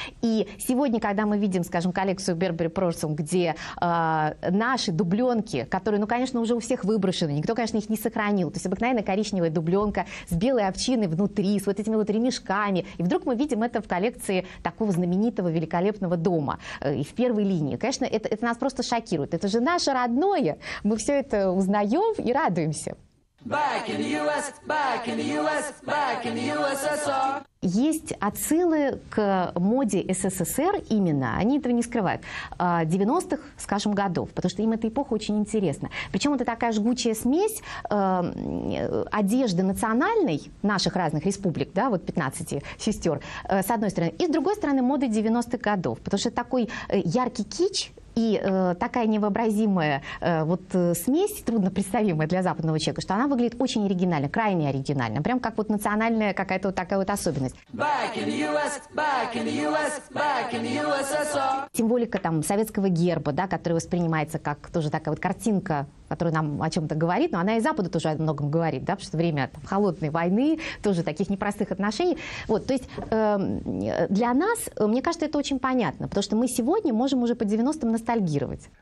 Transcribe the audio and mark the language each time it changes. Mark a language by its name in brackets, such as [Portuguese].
[Russian] И сегодня, когда мы видим, скажем, коллекцию Burberry Prorsum, где наши дубленки, которые, ну, конечно, уже у всех выброшены, никто, конечно, их не сохранил, то есть обыкновенная коричневая дубленка с белой овчиной внутри, с вот этими вот ремешками, и вдруг мы видим это в коллекции такого знаменитого, великолепного дома, и в первой линии. Конечно, это нас просто шокирует. это же наше родное. Мы все это узнаем и радуемся. [English] Back in the US, back in the US, back in the USSR. [Russian] Есть отсылы к моде СССР именно, они этого не скрывают, 90-х, скажем, годов, потому что им эта эпоха очень интересна. Причем это такая жгучая смесь одежды национальной наших разных республик, да, вот 15 сестер, с одной стороны, и с другой стороны моды 90-х годов, потому что такой яркий кич. И такая невообразимая вот смесь, трудно представимая для западного человека, что она выглядит очень оригинально, крайне оригинально, прям как вот национальная какая-то вот такая вот особенность. [English] Back in the US, back in the US, back in the USSR. [Russian] Символика там советского герба, да, который воспринимается как тоже такая вот картинка, которая нам о чем-то говорит, но она и Западу тоже о многом говорит, да, потому что время там, холодной войны, тоже таких непростых отношений. Вот, то есть для нас, мне кажется, это очень понятно, потому что мы сегодня можем уже по 90-м ностальгировать.